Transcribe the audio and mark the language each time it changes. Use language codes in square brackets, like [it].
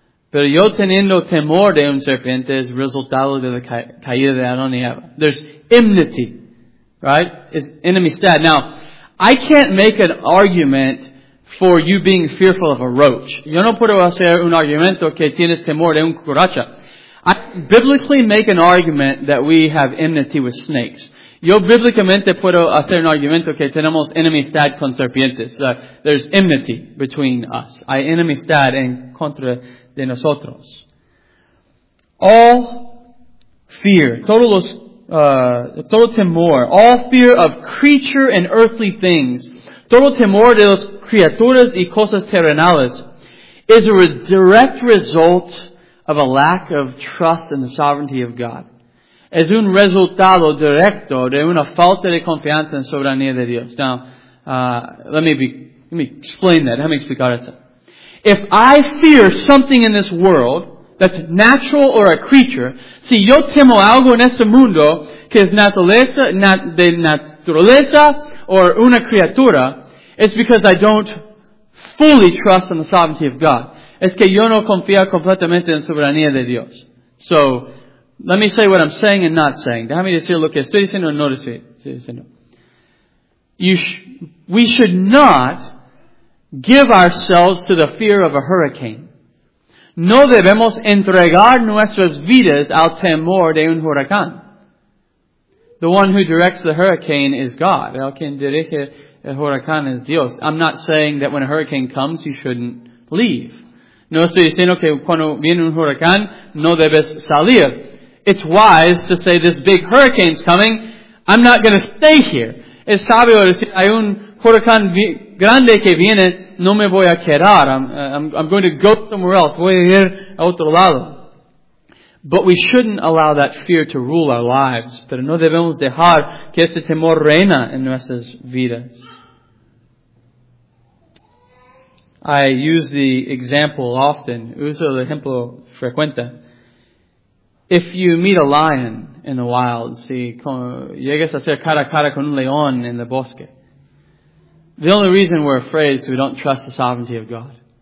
[es] Pero yo teniendo temor de un serpiente es resultado de la caída de Adán y Eva. [en] There's enmity, right? It's enemy stat. Now, I can't make an argument for you being fearful of a roach. [es] Yo no puedo hacer un argumento que tienes temor de un cucaracha. [en] I biblically make an argument that we have enmity with snakes. [es] Yo bíblicamente puedo hacer un argumento que tenemos enemistad con serpientes. [en] There's enmity between us. [es] Hay enemistad en contra de nosotros. [en] All fear, [es] todo temor, [en] all fear of creature and earthly things, [es] todo temor de las criaturas y cosas terrenales, [en] is a direct result of a lack of trust in the sovereignty of God. [es] Es un resultado directo de una falta de confianza en la soberanía de Dios. [en] Now, let me explain that. Let me [es] explicar eso. [en] If I fear something in this world that's natural or a creature, [es] si yo temo algo en este mundo que es de naturaleza or una criatura, [en] it's because I don't fully trust in the sovereignty of God. [es] Es que yo no confío completamente en la soberanía de Dios. [en] So, let me say what I'm saying and not saying. [es] Déjame decir lo que estoy diciendo y no estoy diciendo. [en] We should not give ourselves to the fear of a hurricane. [es] No debemos entregar nuestras vidas al temor de un huracán. [en] The one who directs the hurricane is God. [es] El quien dirige el huracán es Dios. [en] I'm not saying that when a hurricane comes, you shouldn't leave. [es] No estoy diciendo que cuando viene un huracán, no debes salir. [en] It's wise to say this big hurricane's coming. I'm not going to stay here. [es] Es sabio decir, hay un huracán grande que viene. No me voy a quedar. [en] I'm going to go somewhere else. [es] Voy a ir a otro lado. [en] But we shouldn't allow that fear to rule our lives. [es] Pero no debemos dejar que ese temor reina en nuestras vidas. [en] I use the example often. [es] Uso el ejemplo frecuente. [en] If you meet a lion in the wild, [es] si llegas a hacer cara a cara con un león en el bosque, [en] the only reason we're afraid is we don't trust the sovereignty of God.